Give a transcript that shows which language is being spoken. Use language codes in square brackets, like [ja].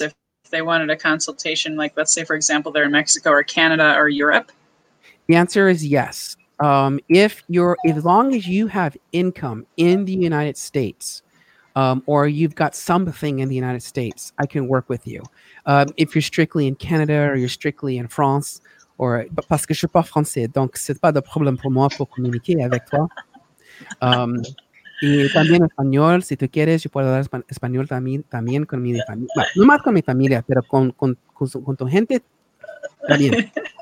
[en] if they wanted a consultation? Like, let's say, for example, they're in Mexico or Canada or Europe? The answer is yes. As long as you have income in the United States or you've got something in the United States, I can work with you. If you're strictly in Canada or you're strictly in France, or [fr] parce que je suis pas français, donc c'est pas de problème pour moi pour communiquer avec toi. [es] Et también español, si tú quieres, yo puedo hablar español también con mi familia. No más con mi familia, pero con tu gente también.